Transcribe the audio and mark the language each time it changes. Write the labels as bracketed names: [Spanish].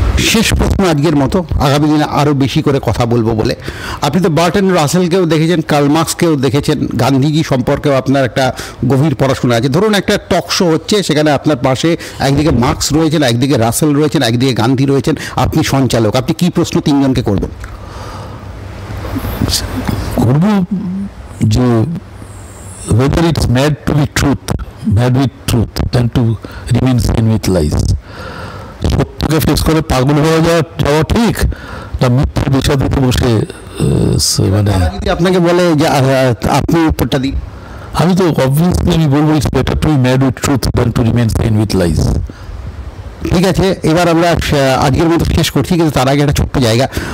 [Bangla] শেষ প্রশ্ন আজকের মতো, আগামী দিনে আরও বেশি করে কথা বলবো বলে, আপনি তো বার্টন রাসেলকেও দেখেছেন, কার্ল মার্ক্সকেও দেখেছেন, গান্ধীজি সম্পর্কেও আপনার একটা গভীর পড়াশোনা আছে। ধরুন একটা টক শো হচ্ছে, সেখানে আপনার পাশে একদিকে মার্ক্স রয়েছেন, একদিকে রাসেল রয়েছেন, একদিকে গান্ধী রয়েছেন, আপনি সঞ্চালক, আপনি কী প্রশ্ন তিনজনকে করবেন? [English] যে whether it's mad to be truth, mad with truth, than to remain sane with lies. [Bangla] সত্যকে ফেস করে পাগল হয়ে যাওয়া ঠিক না, মিথ্যা বিষয় দিতে বসে মানে আপনাকে বলে যে আপনি উত্তরটা দিই? আমি তো অবভিয়াসলি আমি বলবো [English] It's better to be mad with truth than to remain sane with lies. [Bangla] ঠিক আছে, এবার আমরা আজকের মতো শেষ করছি, কিন্তু তার আগে একটা ছোট্ট জায়গা।